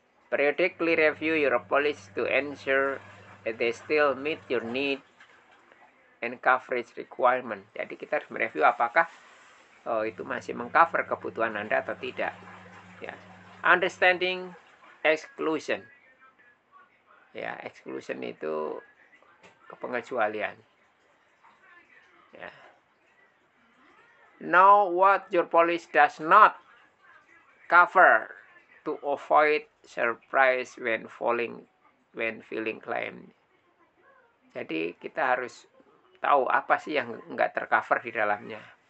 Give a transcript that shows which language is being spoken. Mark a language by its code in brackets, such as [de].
[en] Periodically review your policy to ensure that they still meet your need and coverage requirement. [id] Jadi kita harus mereview apakah itu masih mengcover kebutuhan Anda atau tidak. [en] Ya. Understanding exclusion, ya. [id] Exclusion itu kepengecualian. Ya. [en] Know what your policy does not cover to avoid surprise when filing claim. [id] Jadi kita harus tahu apa sih yang enggak tercover di dalamnya.